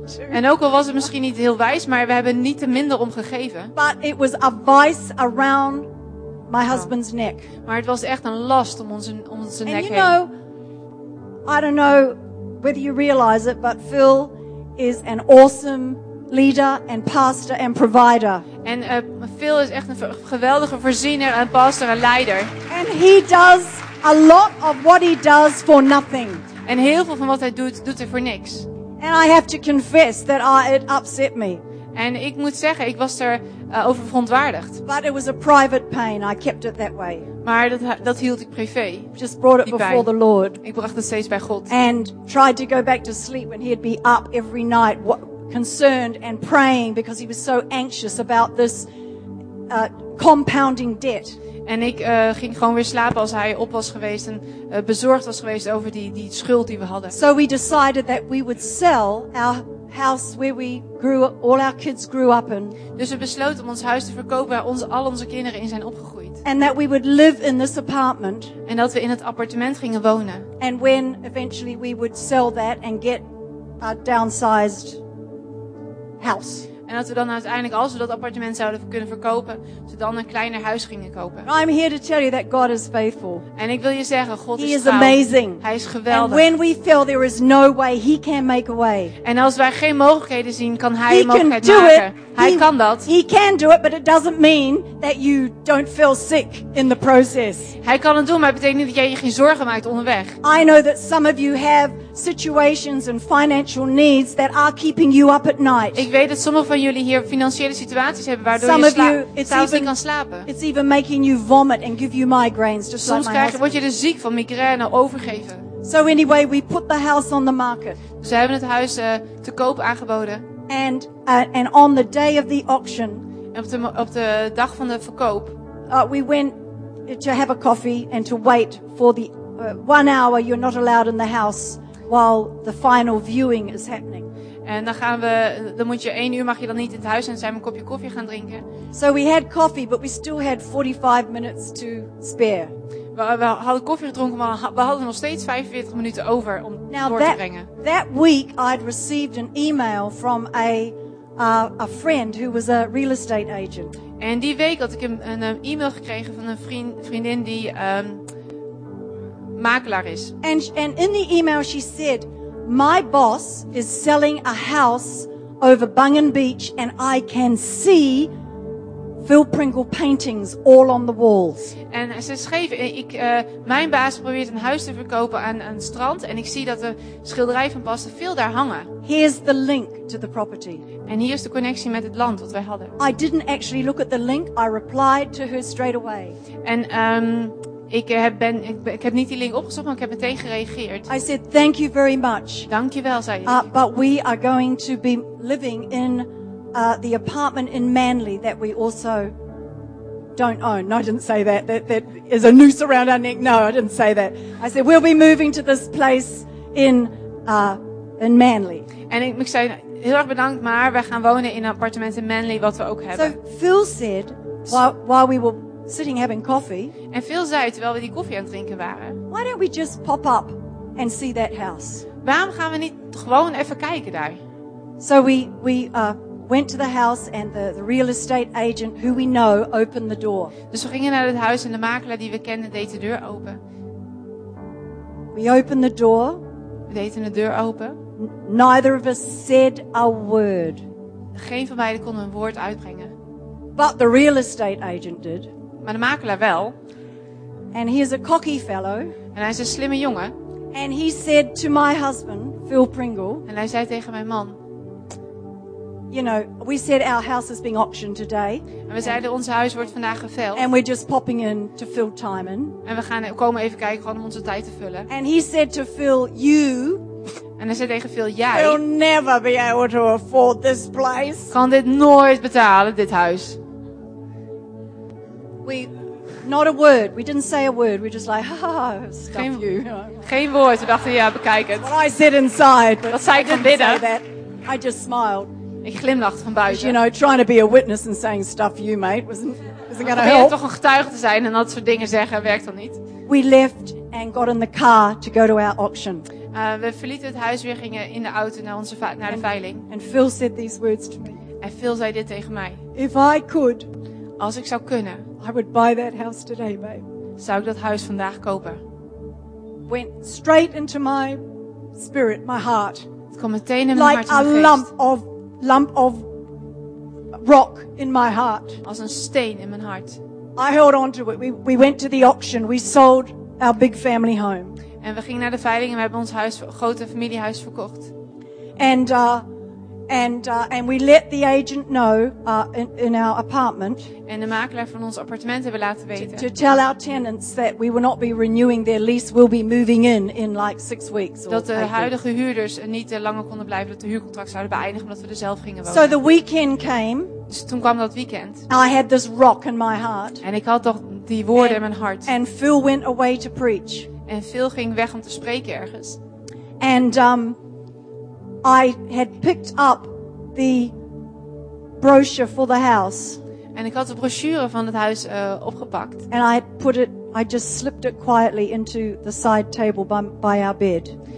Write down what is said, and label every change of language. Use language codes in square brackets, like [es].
[nl] En ook al was het misschien niet heel wijs, maar we hebben niet te minder om gegeven. [en] But it was a vice around my husband's neck. [nl] Maar het was echt een last om onze nek heen. [en] And you know, I don't know whether you realize it, but Phil is an awesome leader and pastor and provider. [nl] En Phil is echt een geweldige voorziener en pastor en leider. [en] And he does a lot of what he does for nothing. [nl] En heel veel van wat hij doet, doet hij voor niks. [en] And I have to confess that it upset me. [nl] En ik moet zeggen, ik was er over verontwaardigd. [en] But it was a private pain. I kept it that way. [nl] Maar dat hield ik privé. [en] Just brought it before the Lord. [nl] Ik bracht het steeds bij God. [en] And tried to go back to sleep when he'd be up every night, concerned and praying because he was so anxious about this compounding debt. [nl] En ik ging gewoon weer slapen als hij op was geweest en bezorgd was geweest over die schuld die we hadden. [en] So we decided that we would sell our house where we grew up, all our kids grew up in. [nl] Dus we besloten om ons huis te verkopen waar al onze kinderen in zijn opgegroeid. [en] And that we would live in this apartment. [nl] En dat we in het appartement gingen wonen. [en] And when eventually we would sell that and get a downsized house. [nl] En dat we dan uiteindelijk, als we dat appartement zouden kunnen verkopen, ze dan een kleiner huis gingen kopen. [en] I'm here to tell you that God is faithful. [nl] En ik wil je zeggen, God [en] he [nl] is trouw. [en] Amazing. [nl] Hij is geweldig. [en] And when we feel there is no way, he can make a way. [nl] En als wij geen mogelijkheden zien, kan hij [en] he [nl] een mogelijkheid [en] can do [nl] maken. [en] It. [nl] Hij [en] he, [nl] kan dat. [en] He can do it, but it doesn't mean that you don't feel sick in the process. [nl] Hij kan het doen, maar het betekent niet dat jij je geen zorgen maakt onderweg. [en] I know that some of you have situations and financial needs that are keeping you up at night. [nl] Ik weet dat sommige van jullie hier financiële situaties hebben waardoor some je s'avonds niet kan slapen. [en] It's even making you vomit and give you migraines. Just [nl] soms [en] like [nl] word je er ziek van, migraine, overgeven. [en] So anyway, we put the house on the market. [nl] Ze hebben het huis te koop aangeboden. [en] And on the day of the auction, [nl] en op de dag van de verkoop, [en] We went to have a coffee and to wait for the 1 hour you're not allowed in the house while the final viewing is happening. [nl] En dan moet je 1 uur mag je dan niet in het huis zijn om een kopje koffie gaan drinken. [en] So we had coffee, but we still had 45 minutes to spare. [nl] We hadden koffie gedronken, maar we hadden nog steeds 45 minuten over om [en] Now [nl] door [en] that, [nl] te brengen. [en] That week I'd received an email from a friend who was a real estate agent. [nl] En die week had ik een e-mail gekregen van een vriendin die makelaar is. [en] And in the email she said, my boss is selling a house over Bungan Beach and I can see Phil Pringle paintings all on the walls. [nl] En ze schreef, mijn baas probeert een huis te verkopen aan een strand en ik zie dat de schilderij van Pastor Phil daar hangen. [en] Here's the link to the property. [nl] En hier is de connectie met het land wat wij hadden. [en] I didn't actually look at the link, I replied to her straight away. [nl] En ik heb niet die link opgezocht, maar ik heb meteen gereageerd. [en] I said thank you very much. [nl] Dankjewel, zei ik. [en] But we are going to be living in the apartment in Manly that we also don't own. No, I didn't say that. That is a noose around our neck. No, I didn't say that. I said we'll be moving to this place in Manly. [nl] En ik zei heel erg bedankt, maar we gaan wonen in een appartement in Manly wat we ook hebben. [en] So Phil said while we were sitting having coffee. [nl] En Phil zei terwijl we die koffie aan het drinken waren. [en] Why don't we just pop up and see that house? [nl] Waarom gaan we niet gewoon even kijken daar? [en] So we went to the house and the real estate agent who we know opened the door. [nl] Dus we gingen naar het huis en de makelaar die we kenden deed de deur open. [en] We opened the door. [nl] We deden de deur open. [en] Neither of us said a word. [nl] Geen van beiden kon een woord uitbrengen. [en] But the real estate agent did. [nl] Maar de makelaar wel. [en] And he is a cocky fellow. [nl] En hij is een slimme jongen. [en] And he said to my husband, Phil Pringle. [nl] En hij zei tegen mijn man. [en] You know, we said our house is being auctioned today. [nl] En we zeiden ons huis wordt vandaag geveild. [en] And we're just popping in to fill time in. [nl] En we komen even kijken gewoon om onze tijd te vullen. [en] And he said to Phil, you. [nl] En hij zei tegen Phil, jij. [en] You'll never be able to afford this place. [nl] Kan dit nooit betalen, dit huis. [en] Not a word. We didn't say a word. We're just like, ha, stuff [nl] geen, [en] you. [nl] Geen woord. We dachten, ja, bekijk het. [en] Well, I said inside. [nl] Dat zei ik van binnen. [en] I just smiled. [nl] Ik glimlacht van buiten. [en] You know, trying to be a witness and saying stuff you, mate, wasn't gonna help. [nl] Toch een getuige te zijn en dat soort dingen zeggen, werkt dan niet. [en] We left and got in the car to go to our auction. [nl] We verlieten het huis weer, gingen in de auto naar de veiling. [en] And Phil said these words to me. [nl] En Phil zei dit tegen mij. [en] If I could. [nl] Als ik zou kunnen. [en] I would buy that house today, babe. [nl] Zou ik dat huis vandaag kopen. [en] went straight into my spirit, my heart. [de] Es kommt direkt in mein [en] like [de] Herz. [en] Like a lump of rock in my heart. [de] Also ein Stein in mein Herz. [en] I held on to it. We went to the auction. We sold our big family home. [nl] En we gingen naar de veiling en we hebben ons huis, grote familiehuis verkocht. [en] And we let the agent know in our apartment. [nl] En de makelaar van ons appartement hebben laten weten. [en] To tell our tenants that we will not be renewing their lease, we'll be moving in like 6 weeks. [nl] Dat de huidige huurders niet langer konden blijven, dat de huurcontract zouden beëindigen omdat we er zelf gingen wonen. [en] So the weekend came. [nl] Dus toen kwam dat weekend. [en] I had this rock in my heart. [nl] En ik had toch die woorden in mijn hart. [en] And Phil went away to preach. [nl] En Phil ging weg om te spreken ergens. [en] And I had picked up the brochure for the house. [nl] En ik had de brochure van het huis opgepakt. [en] And I put it, I just slipped it quietly into the side table by our bed.